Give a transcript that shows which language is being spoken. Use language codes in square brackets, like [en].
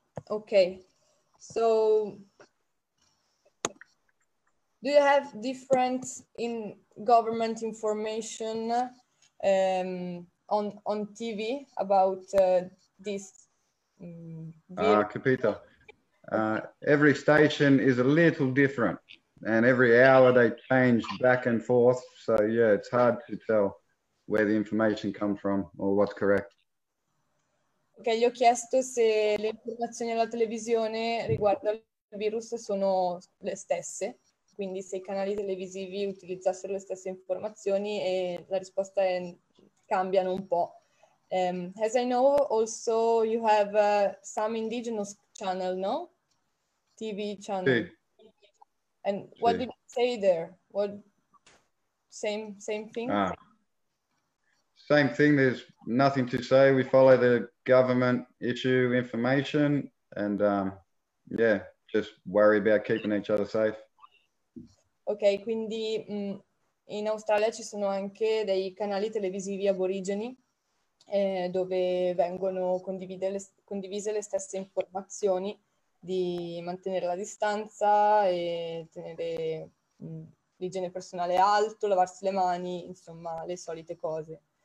[en] Okay, so do you have different in government information on TV about this video? [it] Capito. [en] Every station is a little different, and every hour they change back and forth. So yeah, it's hard to tell where the information comes from or what's correct. [it] Ok, gli ho chiesto se le informazioni alla televisione riguardo al virus sono le stesse. Quindi se i canali televisivi utilizzassero le stesse informazioni, e la risposta è cambiano un po'. [en] As I know, also you have some indigenous channel, no? TV channel. [it] Sì. [en] And [it] sì. [en] What did you say there? What same thing? Ah. Same thing, there's nothing to say. We follow the government issue information and just worry about keeping each other safe. [it] Ok, quindi in Australia ci sono anche dei canali televisivi aborigeni dove vengono condivise le stesse informazioni di mantenere la distanza e tenere l'igiene personale alto, lavarsi le mani, insomma, le solite cose.